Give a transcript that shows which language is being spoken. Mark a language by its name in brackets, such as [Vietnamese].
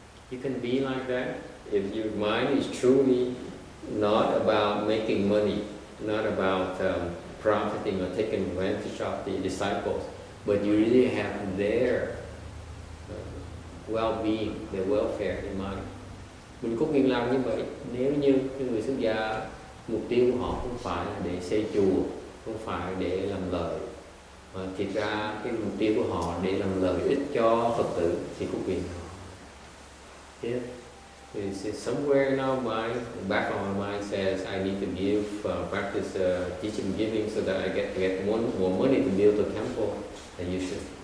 [English] You can be like that if your mind is truly not about making money, not about profiting or taking advantage of the disciples, but you really have their well-being, their welfare in mind. [Vietnamese] Mình cố gắng làm như vậy. Nếu như người xuất gia mục tiêu của họ không phải để xây chùa, không phải để làm lợi. Thì ra cái mục tiêu của họ để làm lợi ích cho Phật tử thì cũng quyền họ. [English] Yeah. Somewhere in our mind, back of our mind says I need to give, practice teaching giving so that I get more money to build a temple than you should.